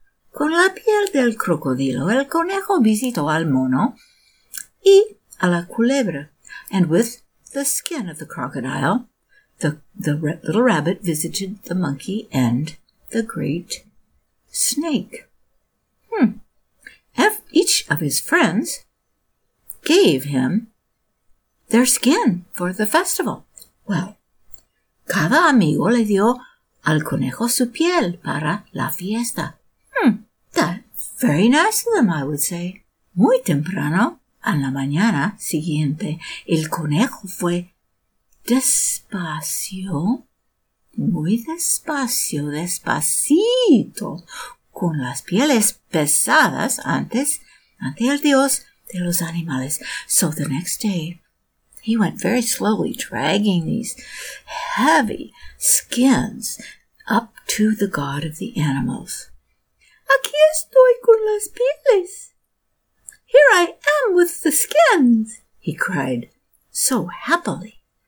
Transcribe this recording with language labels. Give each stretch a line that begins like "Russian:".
Spanish: Con la piel del crocodilo, el conejo visitó al mono y a la culebra.
English: And with the skin of the crocodile, the little rabbit visited the monkey and the great snake. Each of his friends gave him their skin for the festival.
Spanish: Well, cada amigo le dio al conejo su piel para la fiesta.
English: Very nice of them, I would say.
Spanish: Muy temprano, en la mañana siguiente, el conejo fue despacio, muy despacio, despacito, con las pieles pesadas ante el dios de los animales.
English: So the next day, he went very slowly, dragging these heavy skins up to the god of the animals.
Spanish: Aquí estoy con las pieles.
English: Here I am with the skins, he cried so happily.